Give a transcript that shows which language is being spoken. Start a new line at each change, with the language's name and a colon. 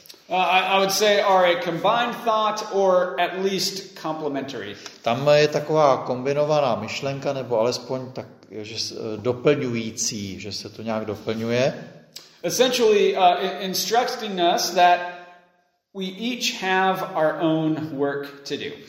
English: I would say are a combined thought or at least complementary.
Czech: Tam je taková kombinovaná myšlenka nebo alespoň tak, že doplňující, že se to nějak doplňuje.
English: Essentially instructing us that we each have our own work to do.